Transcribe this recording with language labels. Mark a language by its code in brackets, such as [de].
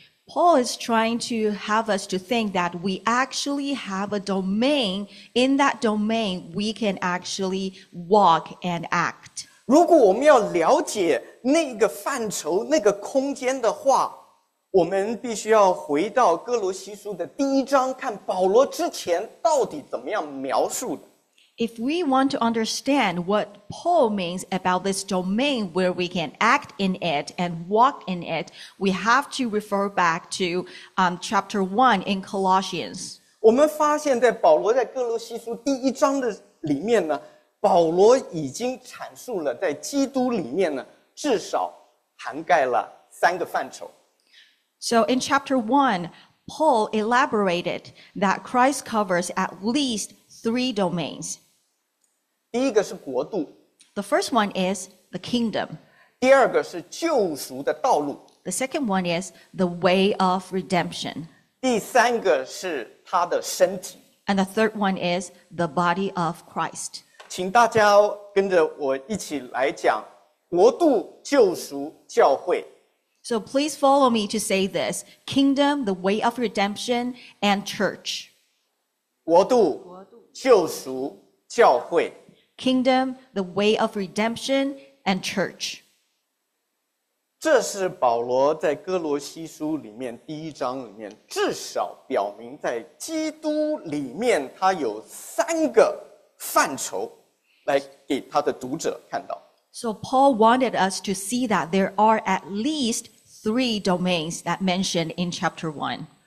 [en] Paul is trying to have us to think that we actually have a domain. In that domain, we can actually walk and act. [zh] 如果我们要了解那个范畴、那个空间的话，我们必须要回到哥罗西书的第一章，看保罗之前到底怎么样描述的。 [en] If we want to understand what Paul means about this domain where we can act in it and walk in it, we have to refer back to chapter 1 in Colossians. [zh] 我们发现在保罗在哥罗西书第一章的里面呢，保罗已经阐述了在基督里面呢，至少涵盖了三个范畴。 [en] So in chapter 1, Paul elaborated that Christ covers at least three domains. [zh] 第一个是国度。 [en] The first one is the kingdom. [zh] 第二个是救赎的道路。 [en] The second one is the way of redemption. [zh] 第三个是他的身体。 [en] And the third one is the body of Christ. [zh] 请大家跟着我一起来讲国度、救赎、教会。 [en] So please follow me to say this: kingdom, the way of redemption, and church. [zh] 国度、救赎、教会。 [en] Kingdom, the way of redemption, and church. [zh] 这是保罗在哥罗西书里面第一章里面至少表明在基督里面他有三个范畴来给他的读者看到。 [en] So Paul wanted us to see that there are at least three domains that mentioned in chapter 1.